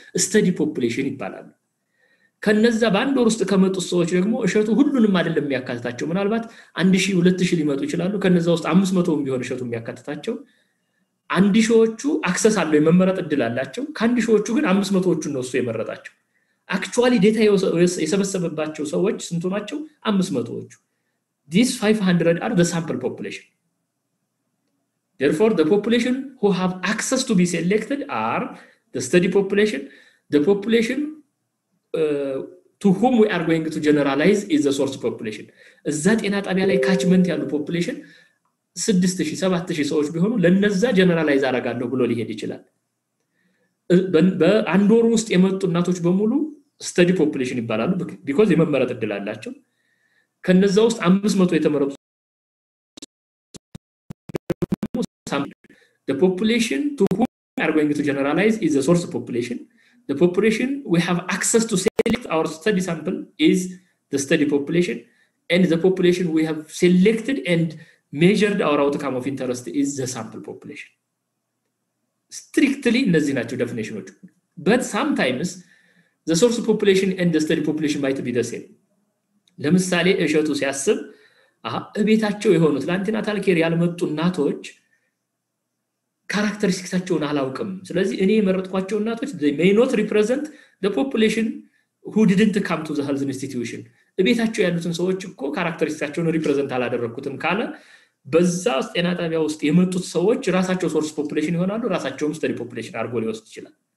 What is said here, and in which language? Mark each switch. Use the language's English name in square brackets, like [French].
[Amharic] ስተዲ ፖፑሌሽን ይባላሉ። ከነዛ ባንድ ወር ውስጥ ከመጡ ሰዎች ደግሞ እሸቱ ሁሉንም አይደለም የሚያካትታቸው ምናልባት 1000 2000 ሊመጡ ይችላሉ። ከነዛ ውስጥ 500ም ቢሆን እሸቱ የሚያካትታቸው 1000 ሰዎች አክሰስ አለው የመመረጥ እድል አላቸው። ከ1000 ሰዎች ግን 500 ሰዎች ነው እሱ የመረጣቸው። አክቹአሊ ዴታ የሰበሰበባቸው ሰዎች ስንት ናቸው? 500 ሰዎች። [English] This 500 are the sample population. Therefore the population who have access to be selected are the study population. The population to whom we are going to generalize is the source population. [Amharic] እዛ ጤና ጣቢያ ላይ ካችመንት ያለው population 6000 7000 ሰዎች ቢሆኑ ለነዛ ጀነራላይዝ አረጋለሁ ብሎ ሊሄድ ይችላል። በአንድ ወር ውስጥ የመጡ እናቶች በሙሉ ስተዲ ፖፑሌሽን ይባላሉ [English] because [Amharic] የመመረጥ እድል አላቸው። ከነዛ ውስጥ 500 የተመረጡ [English] the population to whom we are going to generalize is the source population. The population we have access to select our study sample is the study population, and the population we have selected and measured our outcome of interest is the sample population. [Amharic] Strictly እነዚህ ናቸው ዴፊኒሽኖቹ። [English] But sometimes The source population and the study population might be the same. [Amharic] ለምሳሌ እሸቱ ሲያስብ እቤታቸው የሆኑት ላንቲና ታልኬር ያልመጡ እናቶች ካራክተሪስቲክሳቸውን አላውቅም ስለዚህ እኔ የመረጥኳቸው እናቶች [English] they may not represent the population who didn't come to the health institution [Amharic] እቤታቸው ያሉትን ሰዎች እኮ ካራክተሪስቲክሳቸውን ሪፕረዘንት አላደረኩትም ካለ በዛ ውስጥ ጤና ጣቢያ ውስጥ የመጡት ሰዎች ራሳቸው ሶርስ ፖፑሌሽን ይሆናሉ ራሳቸውም ስተዲ ፖፑሌሽን አርጎ ሊወስድ ይችላል